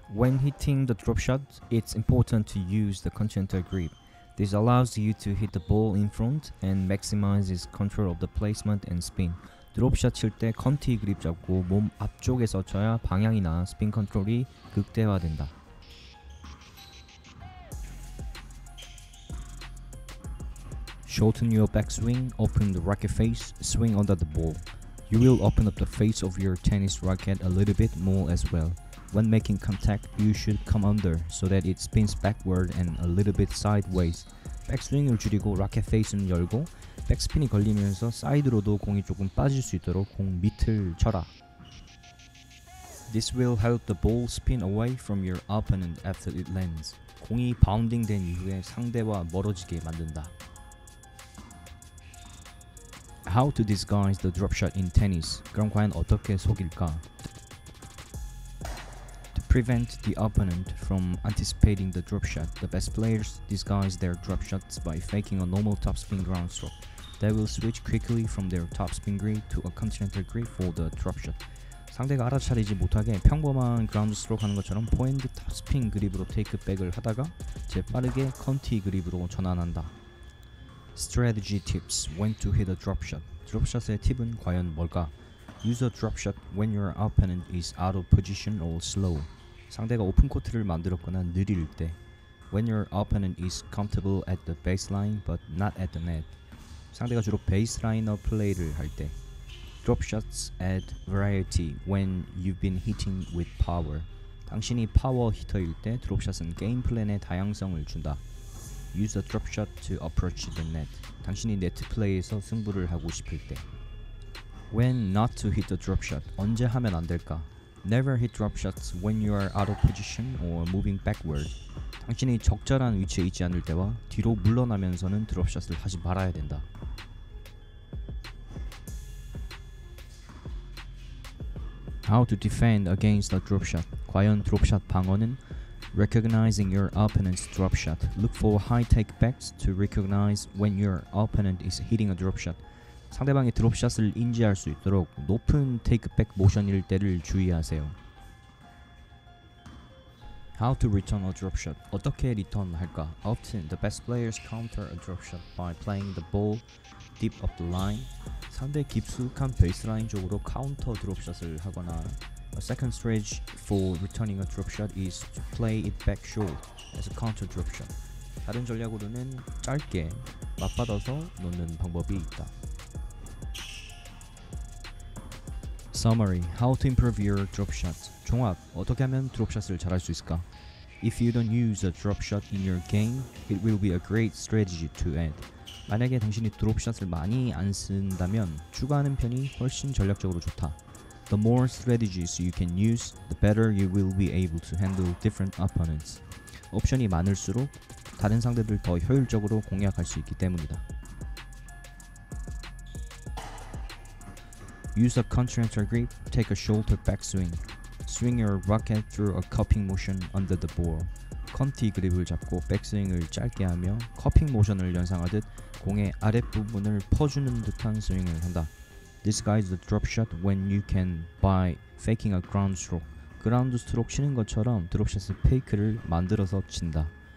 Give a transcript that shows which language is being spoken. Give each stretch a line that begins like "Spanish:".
English: When hitting the drop shot, it's important to use the continental grip. This allows you to hit the ball in front and maximizes control of the placement and spin.
Korean: 드롭샷 칠 때 컨티 그립 잡고 몸 앞쪽에서 쳐야 방향이나 스핀 컨트롤이 극대화된다.
English: 쇼튼 your backswing, open the racket face, swing under the ball. You will open up the face of your tennis racket a little bit more as well. When making contact, you should come under so that it spins backward and a little bit sideways.
Korean: Backswing을 줄이고 racket face는 열고 백스핀이 걸리면서 사이드로도 공이 조금 빠질 수 있도록 공 밑을 쳐라.
English: This will help the ball spin away from your opponent after it lands.
Korean: 공이 바운딩 된 이후에 상대와 멀어지게 만든다.
English: How to disguise the drop shot in tennis?
Korean: 그럼 과연 어떻게 속일까?
English: To prevent the opponent from anticipating the drop shot, the best players disguise their drop shots by faking a normal topspin groundstroke. They will switch quickly from their topspin grip to a continental grip for the drop shot.
Korean: 상대가 알아차리지 못하게 평범한 groundstroke 하는 것처럼 포핸드 topspin 그립으로 테이크백을 하다가 재빠르게 컨티 그립으로 전환한다.
English: Strategy tips when to hit a drop shot.
Korean: 드롭샷의 팁은 과연 뭘까?
English: Use a drop shot when your opponent is out of position or slow.
Korean: 상대가 오픈 코트를 만들었거나 느릴 때.
English: When your opponent is comfortable at the baseline but not at the net.
Korean: 상대가 주로 베이스라이너 플레이를 할 때.
English: Drop shots add variety when you've been hitting with power.
Korean: 당신이 파워 히터일 때 드롭샷은 게임 플랜에 다양성을 준다.
English: Use a drop shot to approach the net.
Korean: 당신이 네트 플레이에서 승부를 하고 싶을 때.
English: When not to hit the drop shot.
Korean: 언제 하면 안 될까?
English: Never hit drop shots when you are out of position or moving backward.
Korean: 당신이 적절한 위치에 있지 않을 때와 뒤로 물러나면서는 드롭샷을 하지 말아야 된다.
English: How to defend against a drop shot.
Korean: 과연 드롭샷 방어는?
English: Recognizing your opponent's drop shot. Look for high take backs to recognize when your opponent is hitting a drop shot.
Korean: 상대방의 드롭샷을 인지할 수 있도록 높은 take back 모션일 때를 주의하세요.
English: How to return a drop shot.
Korean: 어떻게 리턴할까?
English: Often the best players counter a drop shot by playing the ball deep up the line.
Korean: 상대 깊숙한 베이스라인 쪽으로 카운터 드롭샷을 하거나
English: A second strategy for returning a drop shot is to play it back short as a counter drop shot.
Korean: 다른 전략으로는 짧게 맞받아서 놓는 방법이 있다.
English: Summary: How to improve your drop shot.
Korean: 종합, 어떻게 하면 드롭샷을 잘할 수 있을까?
English: If you don't use a drop shot in your game, it will be a great strategy to add.
Korean: 만약에 당신이 드롭샷을 많이 안 쓴다면 추가하는 편이 훨씬 전략적으로 좋다.
English: The more strategies you can use, the better you will be able to handle different opponents.
Korean: 옵션이 많을수록 다른 상대들 더 효율적으로 공략할 수 있기 때문이다.
English: Use a continental grip, take a shoulder backswing. Swing your racket through a cupping motion under the ball.
Korean: 컨티 그립을 잡고 백스윙을 짧게 하며 커핑 모션을 연상하듯 공의 아랫부분을 퍼주는 듯한 스윙을 한다.
English: Disguise the drop shot when you can by faking a ground stroke.
Korean: 그라운드 스트로크 치는 것처럼 드롭샷의 페이크를 만들어서 친다.